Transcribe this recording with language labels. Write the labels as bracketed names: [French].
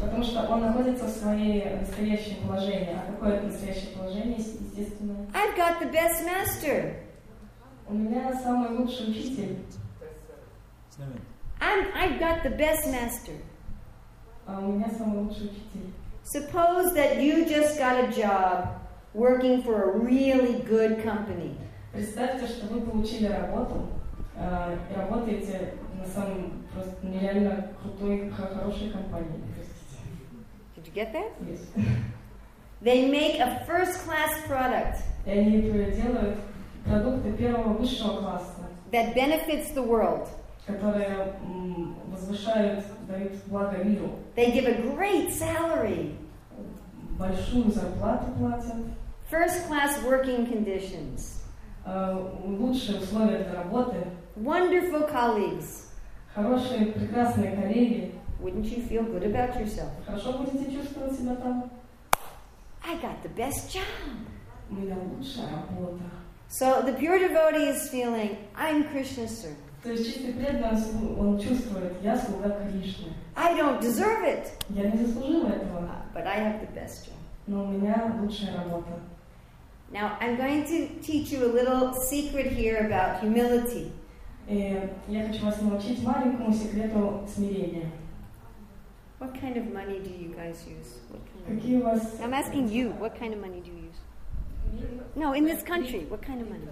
[Russian] Потому что он находится в своей настоящем положении. А какое это настоящее положение, естественно? [English] I've got the best master. [Russian] У меня самый лучший учитель. [English] I've got the best master. [Russian] У меня самый лучший учитель. [English] Suppose that you just got a job working for a really good company. [Russian] Представьте, что вы получили работу, и работаете на самом просто нереально крутой, хорошей компании. [English] Did you get that? Yes. They make a first-class product. [Russian] И они делают продукты первого высшего класса. [English] That benefits the world. [Russian] Которые возвышают, дают благо миру. [English] They give a great salary. [Russian] Большую зарплату платят. [English] First-class working conditions. [Russian] Лучшие условия для работы. [English] Wonderful colleagues. [Russian] Хорошие, прекрасные коллеги. [English] Wouldn't you feel good about yourself? [Russian] Хорошо будете чувствовать себя там? [English] I got the best job. [Russian] У меня лучшая работа. [English] So the pure devotee is feeling, I'm Krishna's servant. [Russian] То есть чистый преданный, он чувствует, я слуга Кришны. [English] I don't deserve it. [Russian] Я не заслужил этого. [English] But I have the best job. [Russian] Но у меня лучшая работа. [English] Now I'm going to teach you a little secret here about humility. [Russian] И я хочу вас научить маленькому секрету смирения. [English] What kind of money do you guys use? [Russian] Какие у вас? [English] I'm asking you. What kind of money do you use? No, in this country, what kind of money?